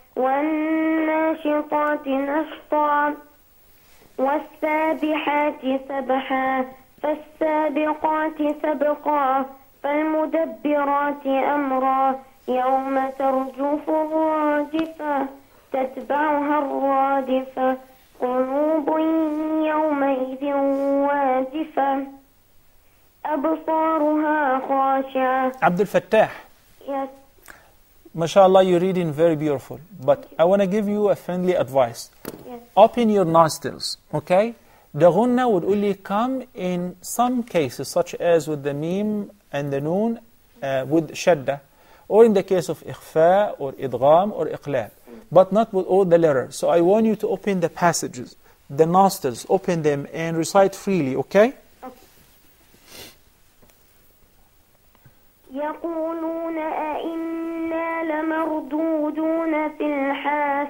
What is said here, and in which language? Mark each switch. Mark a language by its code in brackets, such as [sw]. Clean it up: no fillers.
[ar] والناشطات نشطا والسابحات سبحا فالسابقات سبقا فالمدبرات أمرا يوم ترجف الرادفة تتبعها الرادفة قلوب يومئذ واجفة أبصارها خاشعة. عبد الفتاح. [en] Yes. MashaAllah, you're reading very beautiful. But I want to give you a friendly advice. Yes. Open your nostrils, okay? The ghunna would only come in some cases, such as with the meem and the noon, with shadda, or in the case of ikhfa, or idgham, or iqlab, but not with all the letters. So I want you to open the passages, the nostrils, open them and recite freely, okay? [ar] يقولون أئنا لمردودون في الحافلة